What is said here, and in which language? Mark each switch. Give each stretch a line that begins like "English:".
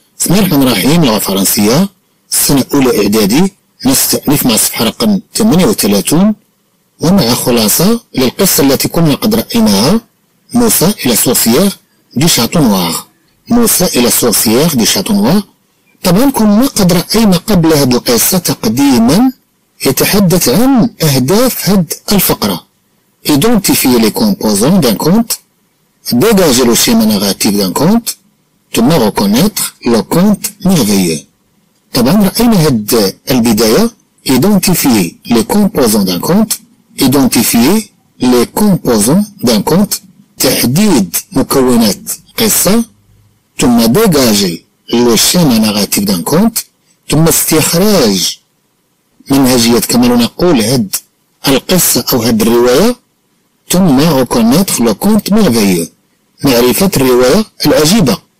Arabic: مرحبا رايحين لغة فرنسية سنة أولى إعدادي نستأنف مع الصفحة رقم 38 ومع خلاصة للقصة التي كنا قد رأيناها موسى إلى سوفيير دي شاتونوار. موسى إلى سوفيير دي شاتونوار، طبعا كنا قد رأينا قبل هذه القصة تقديما يتحدث عن أهداف هذه الفقرة.
French: Identifier les composants d'un compte, dégager le schéma narratif d'un compte, ثم reconnaître le compte merveilleux.
Arabic: طبعا رأينا هاد البداية
French: Identifier les composants d'un compte,
Arabic: Identifier les composants d'un compte, تحديد مكونات قصة، ثم
French: dégager le schéma narratif d'un compte,
Arabic: ثم استخراج منهجية كما نقول هاد القصة أو هاد الرواية، ثم
French: reconnaître le compte merveilleux،
Arabic: معرفة الرواية العجيبة.